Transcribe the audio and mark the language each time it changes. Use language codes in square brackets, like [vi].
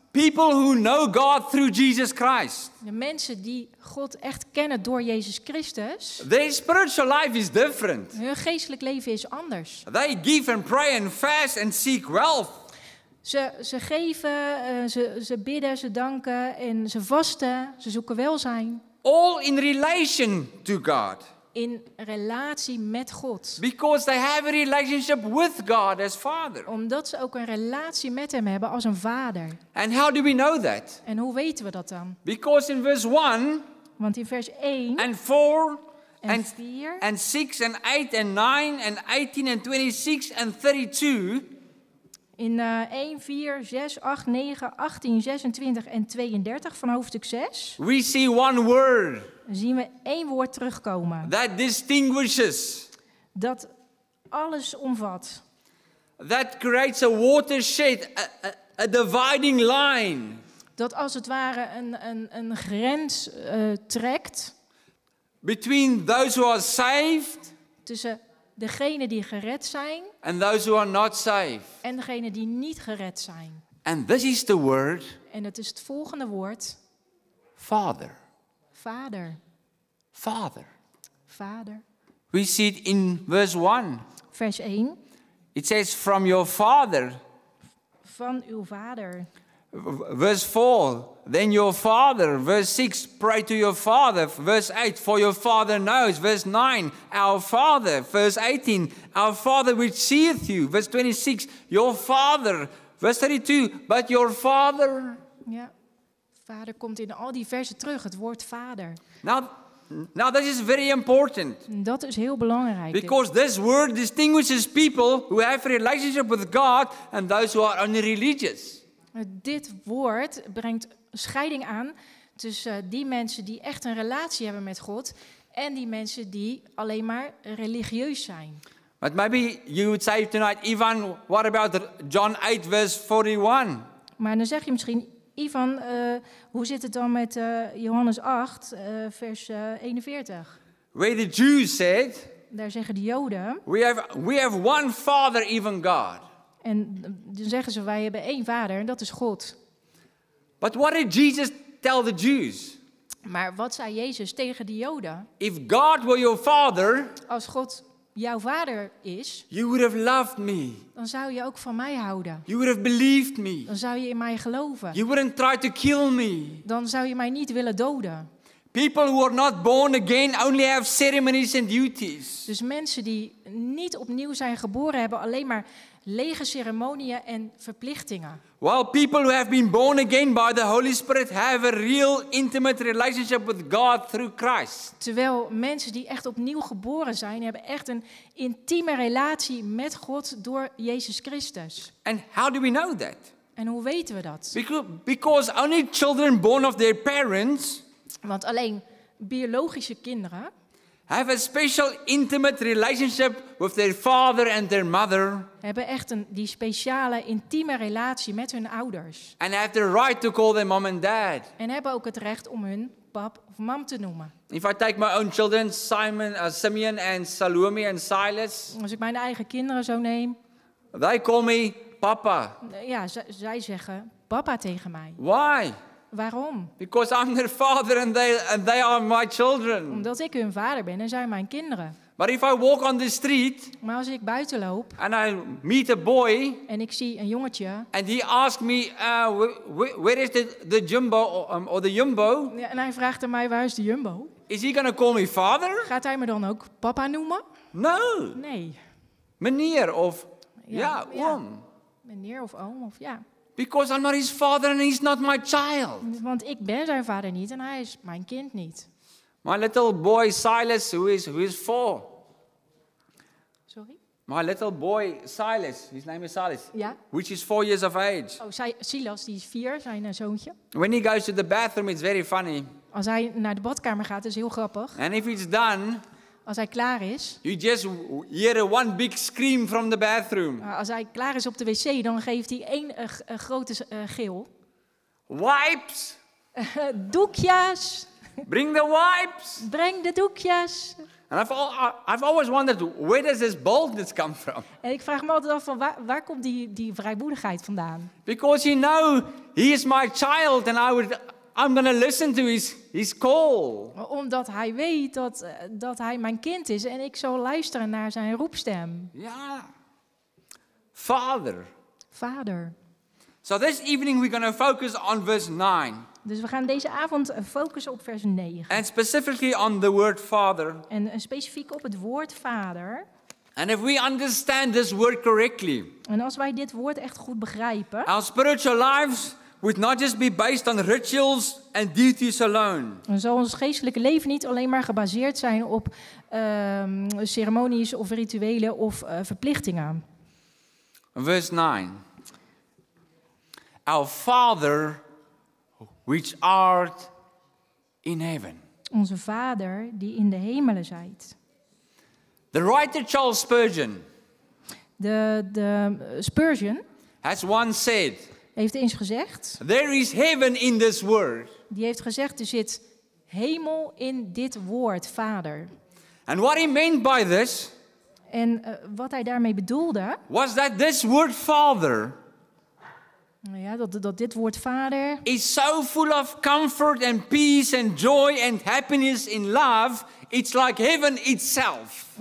[en] People who know God through Jesus Christ. [nl] De mensen die God echt kennen door Jezus Christus. [en] Their spiritual life is different. [nl] Hun geestelijk leven is anders. [en] They give and pray and fast and seek wealth. [nl] Ze geven, ze bidden, ze danken en ze vasten, ze zoeken welzijn. [en] All in relation to God. [nl] In relatie met God. [en] Because they have a relationship with God as Father. [nl] Omdat ze ook een relatie met hem hebben als een vader. [en] And how do we know that? [nl] En hoe weten we dat dan? [en] Because in verse 1. [nl] Want in vers 1. [en] And 4. [nl] En 4. [en] And 6 and 8 and 9 and 18 and 26 and 32. [nl] In 1, 4, 6, 8, 9, 18, 26 en 32 van hoofdstuk 6. [en] We see one word. [nl] Zien we één woord terugkomen. [en] That distinguishes. [nl] Dat alles omvat. [en] That creates a watershed, a dividing line. [nl] Dat als het ware een grens trekt. [en] Between those who are saved. [nl] Tussen degene die gered zijn. [en] And those who are not saved. [nl] En degene die niet gered zijn. [en] And this is the word. [nl] En het is het volgende woord. [en] Father. [nl] Vader. [en] Father. [nl] Vader. [en] We see it in verse 1. [nl] Vers 1. [en] It says from your father. [nl] Van uw vader. [en] Verse 4. Then your father. Verse 6. Pray to your father. Verse 8. For your father knows. Verse 9. Our father. Verse 18. Our father which seeth you. Verse 26. Your father. Verse 32. But your father. [nl] Ja. Vader komt in al die versen terug. Het woord vader. [en] Now this is very important. [nl] Dat is heel belangrijk. [en] Because this word distinguishes people who have a relationship with God and those who are only religious. [nl] Dit woord brengt scheiding aan tussen die mensen die echt een relatie hebben met God en die mensen die alleen maar religieus zijn. [en] But maybe you would say tonight, Ivan, what about John 8 verse 41? [nl] Maar dan zeg je misschien, Ivan, hoe zit het dan met Johannes 8 vers 41? [en] Where the Jews said, [nl] daar zeggen de Joden, [en] we have one Father, even God. [nl] En dan zeggen ze, wij hebben één vader en dat is God. [en] But what did Jesus tell the Jews? [nl] Maar wat zei Jezus tegen de Joden? [en] If God were your father, [nl] als God jouw vader is, [en] you would have loved me. [nl] Dan zou je ook van mij houden. [en] You would have believed me. [nl] Dan zou je in mij geloven. [en] You wouldn't try to kill me. [nl] Dan zou je mij niet willen doden. [en] People who are not born again only have ceremonies and duties. [nl] Dus mensen die niet opnieuw zijn geboren hebben alleen maar lege ceremonieën en verplichtingen. [en] While people who have been born again by the Holy Spirit have a real intimate relationship with God through Christ. [nl] Terwijl mensen die echt opnieuw geboren zijn, hebben echt een intieme relatie met God door Jezus Christus. [en] And how do we know that? [nl] En hoe weten we dat? [en] Because only children born of their parents. [nl] Want alleen biologische kinderen [en] have a special intimate relationship with their father and their mother. [nl] Hebben echt die speciale intieme relatie met hun ouders. [en] And have the right to call them mom and dad. [nl] En hebben ook het recht om hun pap of mam te noemen. [en] If I take my own children, Simeon and Salome and Silas. [nl] Als ik mijn eigen kinderen zo neem. [en] They call me papa. [nl] Ja, zij zeggen papa tegen mij. [en] Why? [nl] Waarom? [en] Because I'm their father and they are my children. [nl] Omdat ik hun vader ben en zij mijn kinderen. [en] But if I walk on the street. [nl] Maar als ik buiten loop. [en] And I meet a boy. [nl] En ik zie een jongetje. [en] And he asks me, where is the jumbo or the jumbo? [nl] Ja, en hij vraagt aan mij, waar is de jumbo? [en] Is he gonna call me father? [nl] Gaat hij me dan ook papa noemen? [en] No. [nl] Nee. Meneer of oom. Meneer of oom of ja. [en] Because I'm not his father and he's not my child. [nl] Want ik ben zijn vader niet en hij is mijn kind niet. [en] My little boy Silas, who is four. Sorry? My little boy Silas, his name is Silas. [nl] Ja. [en] Which is 4 years of age. [nl] Oh, Silas, die is 4, zijn zoontje. [en] When he goes to the bathroom, it's very funny. [nl] Als hij naar de badkamer gaat, is heel grappig. [en] And if it's done. [nl] Als hij klaar is. [en] You just hear one big scream from the bathroom. [nl] Als hij klaar is op de wc, dan geeft hij één grote gil. [en] Wipes. [nl] Doekjes. [en] Bring the wipes. [nl] Breng de doekjes. [en] And I've always wondered, where does this boldness come from? [nl] En ik vraag me altijd af van waar komt die vrijmoedigheid vandaan? [en] Because you know he is my child and I'm going to listen to his call. [nl] Omdat hij weet dat hij mijn kind is en ik zal luisteren naar zijn roepstem. [en] Ja. Father. [nl] Vader. [en] So this evening we're going to focus on verse 9. [nl] Dus we gaan deze avond focussen op vers 9. [en] And specifically on the word father. [nl] En specifiek op het woord vader. [en] And if we understand this word correctly. [nl] En als wij dit woord echt goed begrijpen. [en] Our spiritual lives would not just be based on rituals and duties alone. [nl] Dan zal ons geestelijke leven niet alleen maar gebaseerd zijn op ceremonies of rituelen of verplichtingen. [en] Verse 9. Our Father which art in heaven. [nl] Onze Vader die in de hemelen zijt. [en] The writer Charles Spurgeon. [nl] De Spurgeon. [en] Has once said. [nl] Heeft eens gezegd. [en] There is heaven in this word. [nl] Die heeft gezegd, er zit hemel in dit woord, Vader. [en] And what he meant by this. [nl] En wat hij daarmee bedoelde. [en] Was that this word Father. [nl] Ja, dat dit woord vader [en] is so full of comfort and peace and joy and happiness in love, it's like heaven itself.